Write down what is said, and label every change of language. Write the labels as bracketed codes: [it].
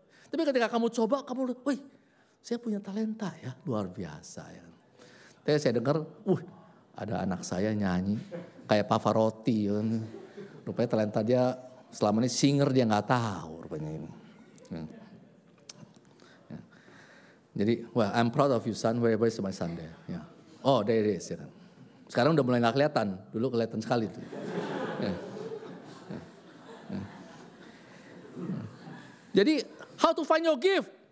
[id] Tapi ketika kamu coba kamu wih, saya punya talenta ya, luar biasa ya. Tapi saya dengar, ada anak saya nyanyi kayak Pavarotti. Ya. Rupanya talenta dia selama ini singer dia gak tahu rupanya ini. Ya. Jadi, [en] I'm proud of you son, wherever is my son there. Ya. Oh, there it is. Ya. [id] Sekarang udah mulai gak kelihatan, dulu kelihatan sekali tuh. Ya. Jadi, [en] how to find your gift?